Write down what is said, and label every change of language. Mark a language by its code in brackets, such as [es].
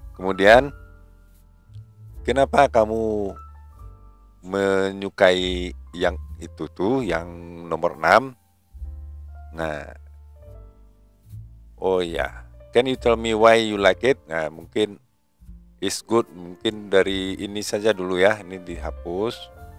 [id] Kemudian, kenapa kamu menyukai yang itu tuh, yang nomor 6? [en] Nah, oh ya, can you tell me why you like it? Nah, mungkin it's good. [id] Mungkin dari ini saja dulu ya, ini dihapus.